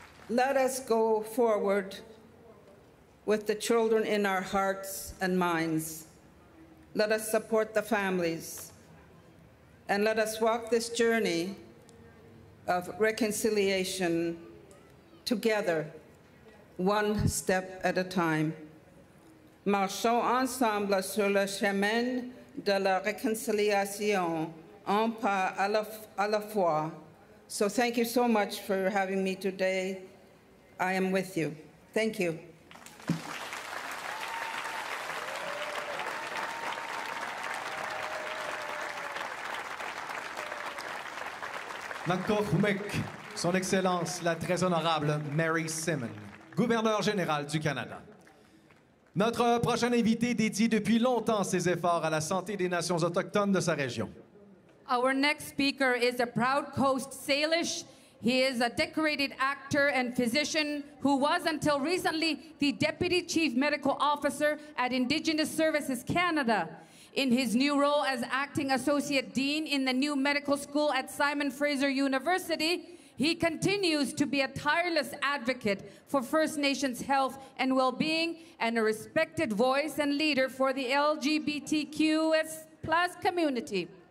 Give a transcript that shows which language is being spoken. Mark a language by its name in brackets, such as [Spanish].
[English] Let us go forward with the children in our hearts and minds. Let us support the families. And let us walk this journey of reconciliation together, one step at a time. Marchons ensemble sur le chemin de la réconciliation, un pas à la fois. So thank you so much for having me today. I am with you. Thank you. [French] Nankohumek, Son Excellence la très honorable Mary Simon, gouverneur général du Canada. Notre prochain invité dédie depuis longtemps ses efforts à la santé des nations autochtones de sa région. [English] Our next speaker is a proud Coast Salish. He is a decorated actor and physician who was until recently the Deputy Chief Medical Officer at Indigenous Services Canada. In his new role as Acting Associate Dean in the new medical school at Simon Fraser University, he continues to be a tireless advocate for First Nations health and well-being and a respected voice and leader for the LGBTQ+ community.